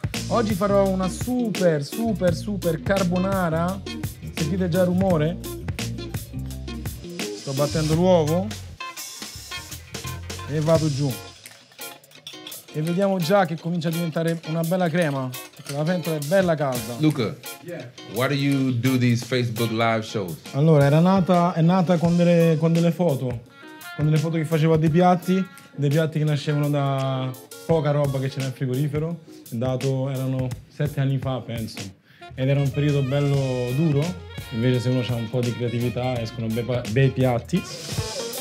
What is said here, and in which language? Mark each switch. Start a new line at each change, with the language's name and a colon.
Italian: Oggi farò una super, super, super carbonara. Sentite già il rumore? Sto battendo l'uovo e vado giù. E vediamo già che comincia a diventare una bella crema, perché la pentola è bella calda.
English: Luca, yeah. Why do you do these Facebook live shows?
Italian: Allora, è nata con delle foto che facevo dei piatti che nascevano da poca roba che c'era nel frigorifero, erano 7 anni fa, penso, ed era un periodo bello duro, invece se uno ha un po' di creatività escono bei piatti.